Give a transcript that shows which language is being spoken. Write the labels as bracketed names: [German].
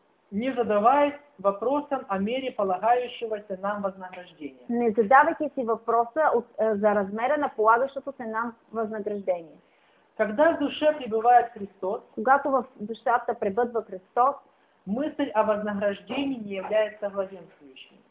[Russian] не задаваясь вопросом о мере полагающегося нам вознаграждения. [Bulgarian] Не задавайте си вопроса за размера на полагащегося нам вознаграждение. [Russian] Когда в душе пребывает Христос, [Bulgarian] когато в душата пребъдва Христос, [Russian] мысль о вознаграждении не является главенствующей.